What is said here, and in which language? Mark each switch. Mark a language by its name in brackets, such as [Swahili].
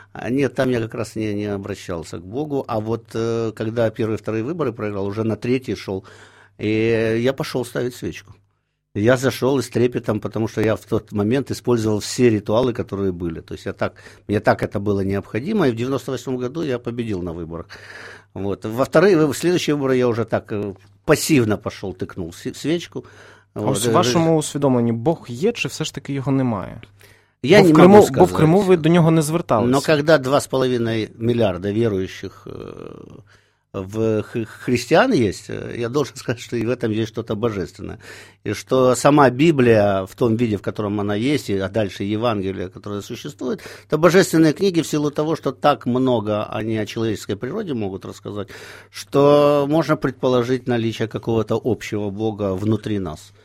[Russian] Нет, там я как раз не обращался к Богу. А вот когда первые, вторые выборы проиграл, уже на третий шел, и я пошел ставить свечку. Я зашел и с трепетом, потому что я в тот момент использовал все ритуалы, которые были. То есть мне так это было необходимо, и в 98 году я победил на выборах. Вот. Во-вторых, в следующие выборы я уже так пассивно пошел, тыкнул свечку. Вот. А в вашем [Ukrainian] усвідомленні Бог є, чи все ж таки його немає? [Russian] Я не [Ukrainian] Криму, [Russian] могу сказать. [Ukrainian] Бо в Криму ви до нього не зверталися. [Russian] Но когда 2,5 мільярда верующих в христиан есть, я должен сказать, что и в этом есть что-то божественное. И что сама Библия в том виде, в котором она есть, а дальше Евангелие, которое существует, это божественные книги в силу того, что так много они о человеческой природе могут рассказать, что можно предположить наличие какого-то общего Бога внутри нас.